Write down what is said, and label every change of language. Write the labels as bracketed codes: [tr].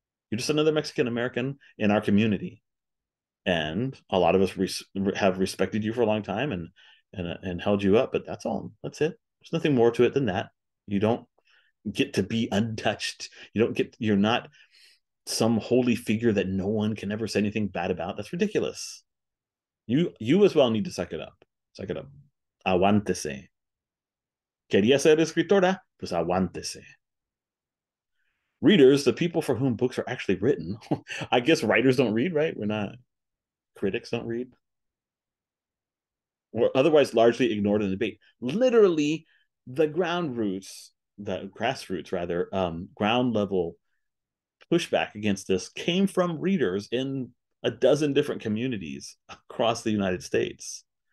[en] You're just another Mexican American in our community. And a lot of us have respected you for a long time and held you up, but that's all. That's it. There's nothing more to it than that. You don't get to be untouched. You're not some holy figure that no one can ever say anything bad about. That's ridiculous. You as well need to suck it up. Suck it up. [es] Aguántese. Quería ser escritora, pues aguántese. [en] Readers, the people for whom books are actually written. I guess writers don't read, right? We're not. Critics don't read. We're otherwise largely ignored in the debate. Literally, the ground roots, the grassroots rather, ground level pushback against this came from readers in a dozen different communities across the United States.